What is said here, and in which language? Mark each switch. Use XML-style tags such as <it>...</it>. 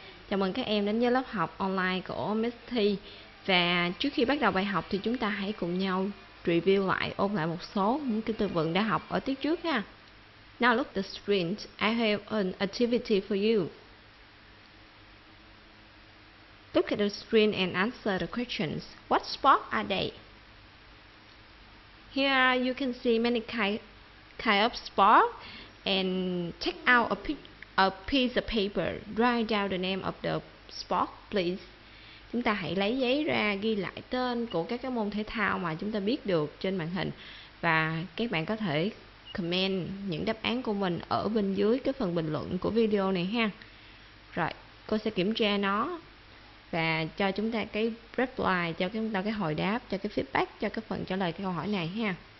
<vi>Chào mừng các em đến với lớp học online của Miss T. Và trước khi bắt đầu bài học thì chúng ta hãy cùng nhau review lại, ôn lại một số những cái từ vựng đã học ở tiết trước ha.</vi> <en>Now look the screen, I have an activity for you. Look at the screen and answer the questions. What sport are they? Here you can see many kind of sport. And take out a piece of paper. Write down the name of the sport, please.</en> <vi>Chúng ta hãy lấy giấy ra ghi lại tên của các cái môn thể thao mà chúng ta biết được trên màn hình. Và các bạn có thể comment những đáp án của mình ở bên dưới cái phần bình luận của video này ha. Rồi, cô sẽ kiểm tra nó và cho chúng ta cái reply, cho chúng ta cái hồi đáp, cho cái feedback, cho cái phần trả lời cái câu hỏi này ha.</vi>